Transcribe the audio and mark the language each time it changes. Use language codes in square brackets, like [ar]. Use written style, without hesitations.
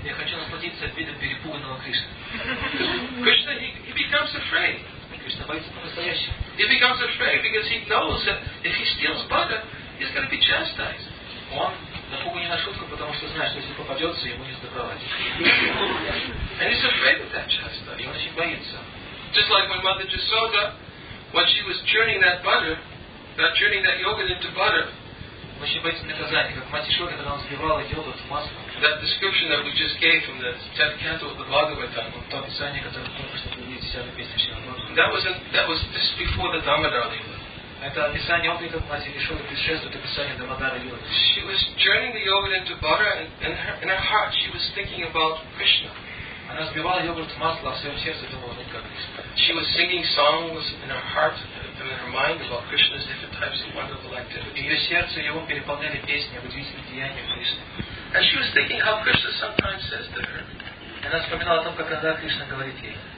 [ru] Я хочу насладиться видом перепуганного Кришны. [en] Krishna, he becomes afraid. [ru] Кришна боится по-настоящему. [en] He becomes afraid because he knows that if he steals butter, he's going to be chastised. [ru] Он напуган не на шутку, потому что знает, что если попадется, ему не сдобровать. [en] And he's afraid of that chastisement. [ru] И он очень боится. [en] Just like when Mother Jasoda, when she was churning that butter, that churning that yogurt into butter. [ru] Очень боится наказания, как Мать Ясода, когда он взбивала йогурт в масло. [en] That description that we just gave from the 10th canto of the Bhagavatam. [ru] То описание, которое только что было в 10-й песне [en] That was just before the Dhammadhara Lila. [ru] Это описание облика Мать Ясоды предшествует описанию Дхаммадхара Лилы. [en] She was churning the yogurt into butter and in her heart she was thinking about Krishna. [ru] Она взбивала йогурт в масло, а в своем сердце думала не как Кришна. [en] She was singing songs in her heart and in her mind about Krishna's different types of wonderful activities. [ru] Ее сердце и ум переполняли песни об удивительных деяниях Кришны. [en] And she was thinking how Krishna sometimes says to her. [ru] Она вспоминала о том, как когда Кришна говорит ей.